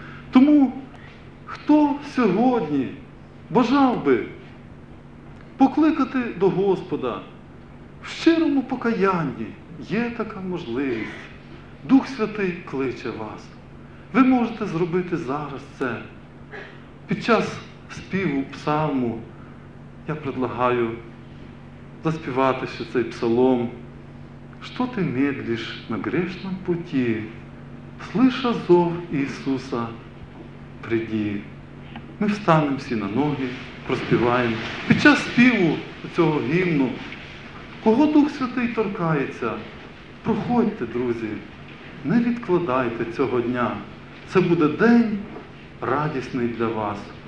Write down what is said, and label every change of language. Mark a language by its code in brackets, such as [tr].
[uk] Тому хто сьогодні бажав би покликати до Господа в щирому покаянні, є така можливість. Дух Святий кличе вас. Ви можете зробити зараз це. Під час співу псалму я предлагаю заспівати ще цей псалом. [ru] «Что ты медлишь на грешном пути, слыша зов Иисуса, приди». Мы встанем все на ноги, проспеваем. [uk] Під час співу цього гімну, кого Дух Святий торкається, проходьте, друзі, не відкладайте цього дня. Це буде день радісний для вас.